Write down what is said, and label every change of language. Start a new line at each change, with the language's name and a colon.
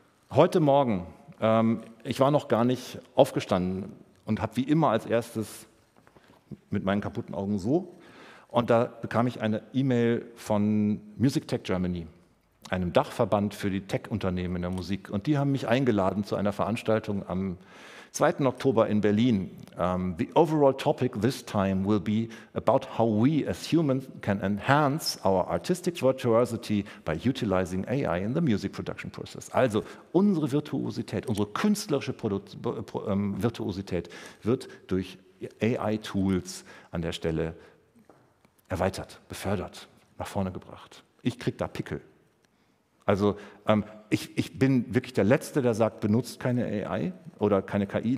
German: Heute Morgen, ich war noch gar nicht aufgestanden und habe wie immer als erstes mit meinen kaputten Augen so. Und da bekam ich eine E-Mail von Music Tech Germany, einem Dachverband für die Tech-Unternehmen in der Musik. Und die haben mich eingeladen zu einer Veranstaltung am 2. Oktober in Berlin.
English: The overall topic this time will be about how we as humans can enhance our artistic virtuosity by utilizing AI in the music production process.
German: Also unsere Virtuosität, unsere künstlerische Virtuosität wird durch AI-Tools an der Stelle erweitert, befördert, nach vorne gebracht. Ich kriege da Pickel. Also ich bin wirklich der Letzte, der sagt, benutzt keine AI oder keine KI.